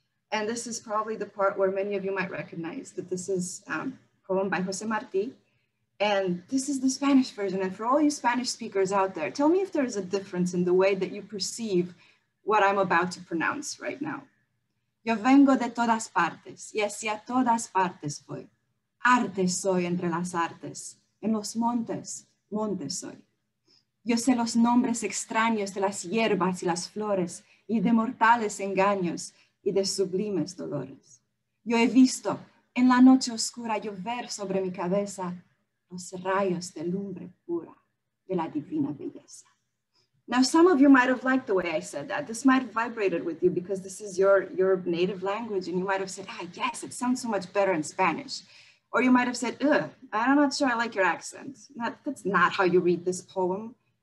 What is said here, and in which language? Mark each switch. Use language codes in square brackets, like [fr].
[en] And this is probably the part where many of you might recognize that this is a poem by Jose Martí. And this is the Spanish version. And for all you Spanish speakers out there, tell me if there is a difference in the way that you perceive what I'm about to pronounce right now. [es] Yo vengo de todas partes. Yes, y a todas partes voy. Arte soy entre las artes. En los montes, monte soy. Yo sé los nombres extraños de las hierbas y las flores y de mortales engaños y de sublimes dolores. Yo he visto en la noche oscura llover sobre mi cabeza los rayos de lumbre pura de la divina belleza. [en] Now, some of you might have liked the way I said that. This might have vibrated with you because this is your native language, and you might have said, ah, yes, it sounds so much better in Spanish. Or you might have said, ugh, I'm not sure I like your accent. That's not how you read this poem.